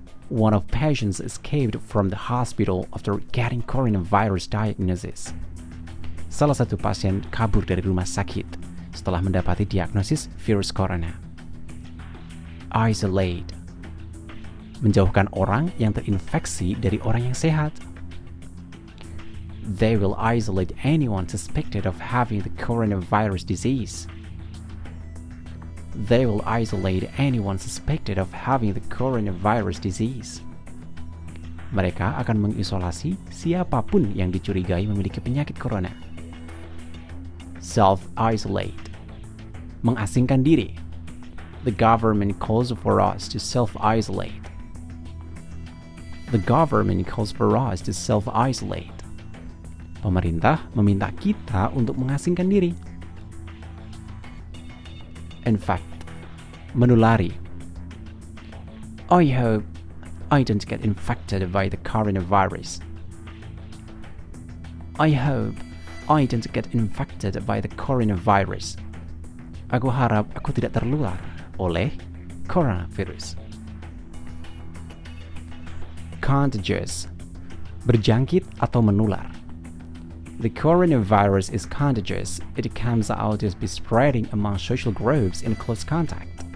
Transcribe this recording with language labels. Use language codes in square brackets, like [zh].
[en] One of patients escaped from the hospital after getting coronavirus diagnosis. [id] Salah satu pasien kabur dari rumah sakit setelah mendapati diagnosis virus corona. Isolate, menjauhkan orang yang terinfeksi dari orang yang sehat. [en] they will isolate anyone suspected of having the coronavirus disease. They will isolate anyone suspected of having the coronavirus disease. [id] Mereka akan mengisolasi siapapun yang dicurigai memiliki penyakit corona. Self-isolate. Mengasingkan diri. [en] The government calls for us to self-isolate. The government calls for us to self-isolate. [id] Pemerintah meminta kita untuk mengasingkan diri. [en] In fact, menulari. I hope I don't get infected by the coronavirus. I hope I don't get infected by the coronavirus. [id] Aku harap aku tidak tertular oleh coronavirus. [en] Contagious. [id] Berjangkit atau menular. [en] The coronavirus is contagious. It comes out to be spreading among social groups in close contact.